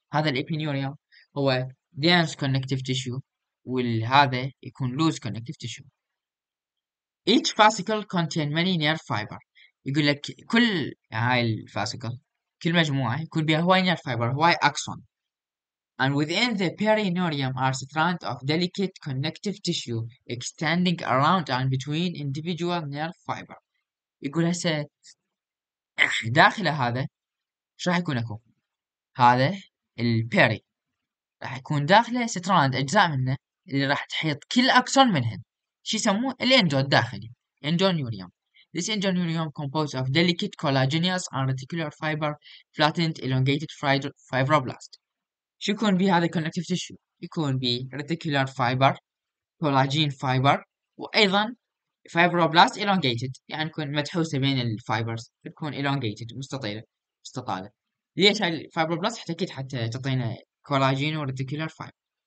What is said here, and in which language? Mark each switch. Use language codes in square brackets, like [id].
[ar] هذا الإبي نيوريوم هو دينس كونكتيف تيشو، وهذا يكون لوز كونكتيف تيشو. [en] Each fascicle contain many nerve fiber. [ar] يقول لك كل هاي الفاسيكل، كل مجموعة يكون بها هواي nerve fiber، هواي axon. [en] And within the perineurium are strands of delicate connective tissue extending around and between individual nerve fiber. [ar] يقول هسه داخل هذا شو راح يكون اكو؟ هذا البيري راح يكون داخله strand، اجزاء منه اللي راح تحيط كل axon منهن. شي يسموه الاندو الداخلي، اندو نيوريوم. [en] This endo nuriyum composed of delicate collagenous and reticular fiber flattened elongated fibroblast. [ar] شو يكون بي هذا connective tissue؟ يكون بي reticular fiber، collagen fiber، وأيضا fibroblast elongated، يعني يكون متحوسة بين الفايبرز، تكون elongated، مستطيلة، مستطالة. ليش هاي الفايبروبلاست؟ أكيد حتى تعطينا collagen و reticular fiber.